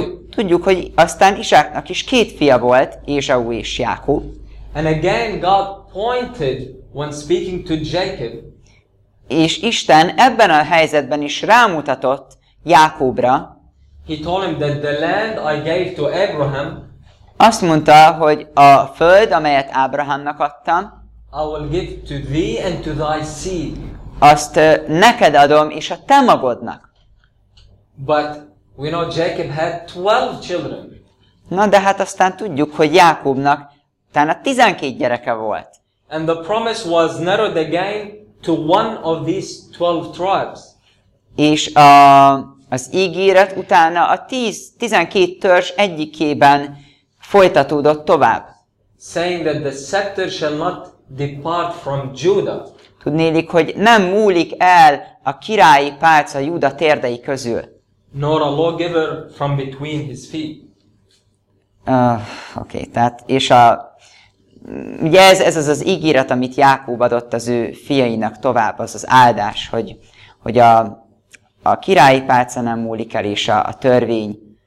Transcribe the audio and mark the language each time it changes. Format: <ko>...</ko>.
<hu>Tudjuk, hogy aztán Izsáknak is két fia volt, Ésau és Jákob.</hu> <en>And again God pointed when speaking to Jacob.</en> <hu>És Isten ebben a helyzetben is rámutatott Jákobra.</hu> <en>He told him that the land I gave to Abraham</en> <hu>Azt mondta, hogy a föld, amelyet Ábrahámnak adtam,</hu> <en>I will give to thee and to thy seed.</en> <hu>Azt neked adom és a te magodnak.</hu> <en>But we know Jacob had 12 children.</en> <hu>Na de hát aztán tudjuk, hogy Jákobnak utána 12 gyereke volt.</hu> <en>And the promise was narrowed again to one of these 12 tribes.</en> <hu>És az ígéret utána a 12 törzs egyikében folytatódott tovább.</hu> <en>Saying that the scepter shall not depart from Judah.</en> <hu>Tudnélik, hogy nem múlik el a királyi pálca Júda térdei közül.</hu> <en>Nor a lawgiver from between his feet.</en> <hu>Oké, tehát, és a... Ugye ez az az ígéret, amit Jákob adott az ő fiainak tovább, az az áldás, hogy a királyi pálca nem múlik el, és a törvény...</hu>